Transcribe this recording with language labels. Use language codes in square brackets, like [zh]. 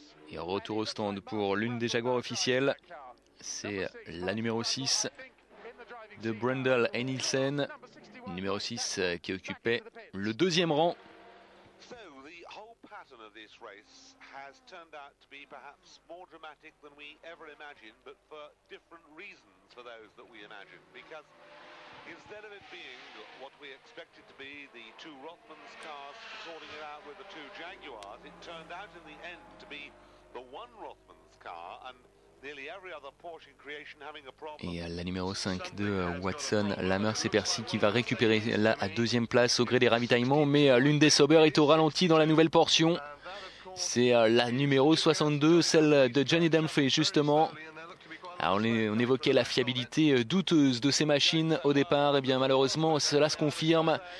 [fr] Et retour au stand pour l'une des Jaguars officielles, c'est la numéro 6 de Brundle et Nielsen, numéro 6 qui occupait le deuxième rang. [en] Has turned out to be perhaps more dramatic than we ever imagined, but for different reasons for those that we imagined. Because instead of it being what we expected to be, the two Rothmans cars sorting it out with the two Jaguars, it turned out in the end to be the one Rothmans car and nearly every other Porsche creation having a problem. [fr] Et la numéro 5 de Watson, Lammers et Percy qui va récupérer la deuxième place au gré des ravitaillements, mais l'une des Sauber est au ralenti dans la nouvelle portion. C'est la numéro 62, celle de Johnny Dumfries justement. Alors on évoquait la fiabilité douteuse de ces machines au départ, et bien malheureusement cela se confirme.